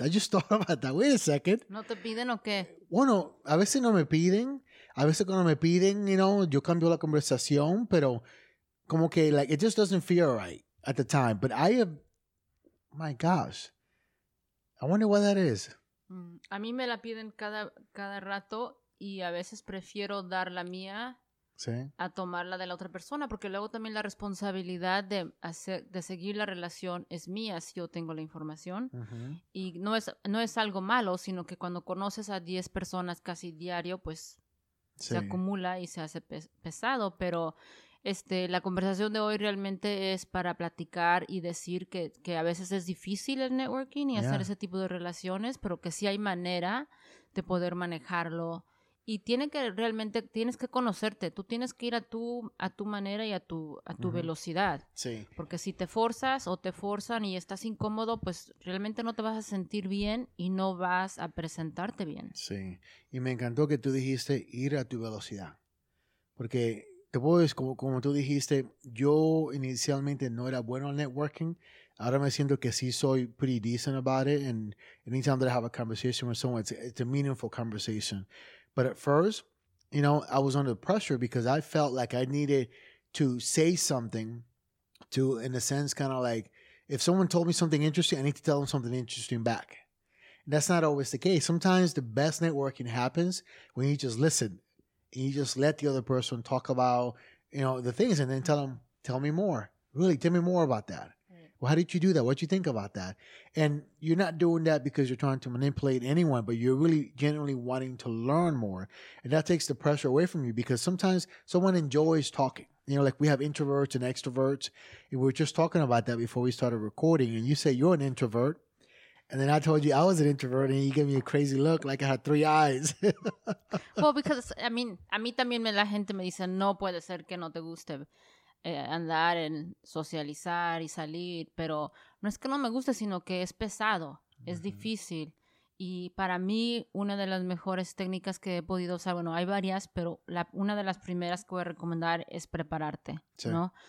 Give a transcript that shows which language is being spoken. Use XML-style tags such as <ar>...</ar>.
<en>I just thought about that. Wait a second.</en> <es>¿No te piden o qué? Bueno, a veces no me piden. A veces cuando me piden, you know, yo cambio la conversación, pero como que, like,</es> <en>it just doesn't feel right at the time. But I have, my gosh, I wonder why that is.</en> <es>A mí me la piden cada rato y a veces prefiero dar la mía. ¿Sí? A tomarla de la otra persona, porque luego también la responsabilidad de seguir la relación es mía si yo tengo la información. Uh-huh. Y no es algo malo, sino que cuando conoces a 10 personas casi diario, pues sí, se acumula y se hace pesado. Pero la conversación de hoy realmente es para platicar y decir que a veces es difícil el networking y hacer ese tipo de relaciones, pero que sí hay manera de poder manejarlo. Y tienes que conocerte. Tú tienes que ir a tu manera y a tu uh-huh. velocidad. Sí. Porque si te forzas o te forzan y estás incómodo, pues realmente no te vas a sentir bien y no vas a presentarte bien. Sí. Y me encantó que tú dijiste ir a tu velocidad. Porque te puedes, como tú dijiste, yo inicialmente no era bueno al networking. Ahora me siento que sí soy</es> <en>pretty decent about it. And anytime that I have a conversation with someone, it's a meaningful conversation. But at first, you know, I was under pressure because I felt like I needed to say something to, in a sense, kind of like, if someone told me something interesting, I need to tell them something interesting back. And that's not always the case. Sometimes the best networking happens when you just listen and you just let the other person talk about, you know, the things and then tell them, tell me more. Really, tell me more about that. Right. Well, how did you do that? What did you think about that? And you're not doing that because you're trying to manipulate anyone, but you're really genuinely wanting to learn more. And that takes the pressure away from you because sometimes someone enjoys talking. You know, like we have introverts and extroverts. And we were just talking about that before we started recording. And you say you're an introvert. And then I told you I was an introvert and you gave me a crazy look like I had 3 eyes. Well, because, I mean,</en> <es>a mí también la gente me dice, no puede ser que no te guste andar en socializar y salir, pero no es que no me guste, sino que es pesado, uh-huh. es difícil. Y para mí, una de las mejores técnicas que he podido usar, bueno, hay varias, pero una de las primeras que voy a recomendar es prepararte, sí. ¿no?</es>